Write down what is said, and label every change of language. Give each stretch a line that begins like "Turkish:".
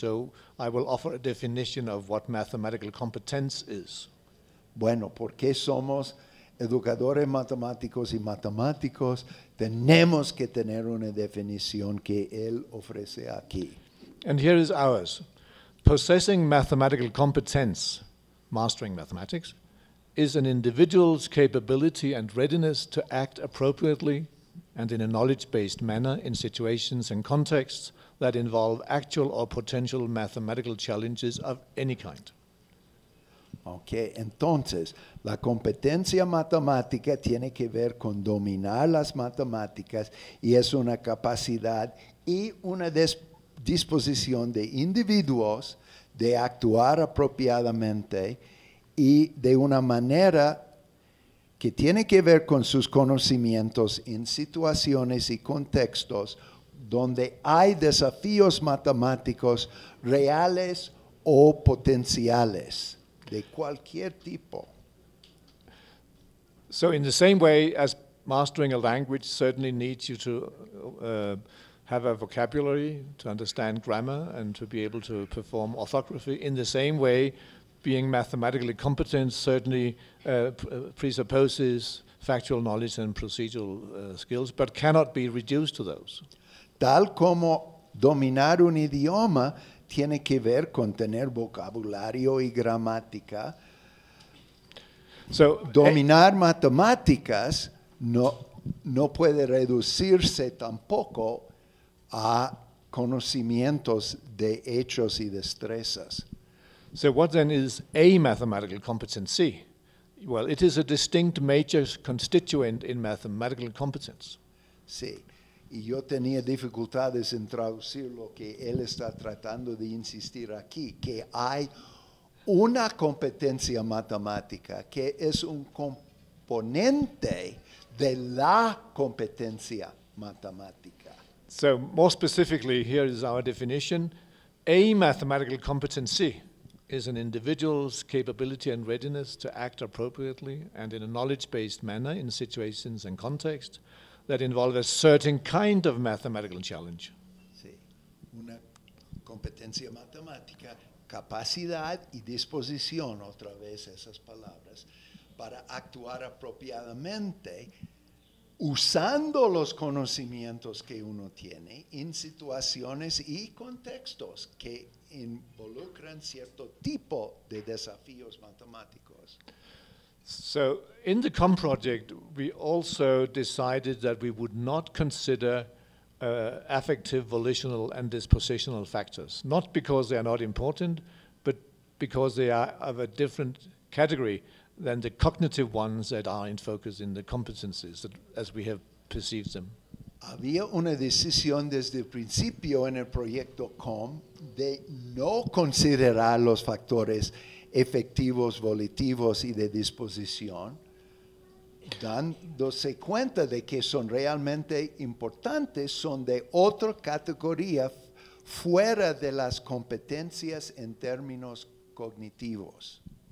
English: So, I will offer a definition of what mathematical competence is.
Spanish: Bueno, porque somos educadores matemáticos y matemáticos, tenemos que tener una definición que él ofrece aquí.
English: And here is ours. Possessing mathematical competence, mastering mathematics, is an individual's capability and readiness to act appropriately and in a knowledge-based manner in situations and contexts that involve actual or potential mathematical challenges of any kind.
Spanish: Ok, entonces, la competencia matemática tiene que ver con dominar las matemáticas y es una capacidad y una disposición de individuos de actuar apropiadamente y de una manera que tiene que ver con sus conocimientos en situaciones y contextos donde hay desafíos matemáticos reales o potenciales. De cualquier tipo.
English: So in the same way as mastering a language certainly needs you to have a vocabulary, to understand grammar, and to be able to perform orthography, in the same way, being mathematically competent certainly presupposes factual knowledge and procedural skills, but cannot be reduced to those.
Spanish: Tal como dominar un idioma tiene que ver con tener vocabulario y gramática,
English: so,
Spanish: dominar matemáticas no puede reducirse tampoco a conocimientos de hechos y destrezas.
English: So what then is a mathematical competency? Well, it is a distinct major constituent in mathematical competence.
Spanish: Sí. Y yo tenía dificultades en traducir lo que él está tratando de insistir aquí, que hay una competencia matemática que es un componente de la competencia matemática.
English: So, more specifically, here is our definition. A mathematical competency is an individual's capability and readiness to act appropriately and in a knowledge-based manner in situations and context that involve a certain kind of mathematical challenge.
Spanish: Sí, una competencia matemática, capacidad y disposición, otra vez esas palabras, para actuar apropiadamente usando los conocimientos que uno tiene en situaciones y contextos que involucran cierto tipo de desafíos matemáticos.
English: So, in the COM project, we also decided that we would not consider affective, volitional, and dispositional factors, not because they are not important, but because they are of a different category than the cognitive ones that are in focus in the competencies that, as we have perceived them.
Spanish: Había una decisión desde el principio en el proyecto COM de no considerar los factores efectivos, volitivos y de disposición, dándose cuenta de que son realmente importantes, son de otra categoría fuera de las competencias en términos cognitivos.